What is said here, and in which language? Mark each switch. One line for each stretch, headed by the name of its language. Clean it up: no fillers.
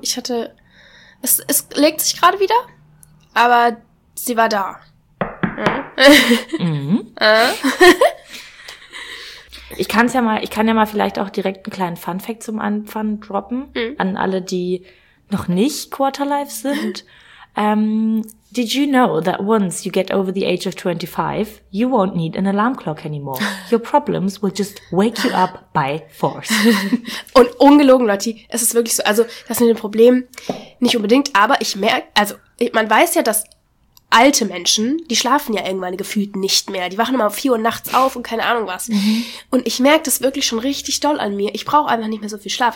German: Ich hatte, es legt sich gerade wieder, aber sie war da. Ich kann ja mal vielleicht auch direkt einen kleinen Funfact zum Anfang droppen, an alle, die noch nicht Quarterlife sind.
English: Did you know that once you get over the age of 25, you won't need an alarm clock anymore? Your problems will just wake you up by force.
German: Und ungelogen, Lotti, es ist wirklich so, also das sind ein Problem, nicht unbedingt, aber ich merke, also man weiß ja, dass alte Menschen, die schlafen ja irgendwann gefühlt nicht mehr. Die wachen immer um 4 Uhr nachts auf und keine Ahnung was. Und ich merke das wirklich schon richtig doll an mir. Ich brauche einfach nicht mehr so viel Schlaf.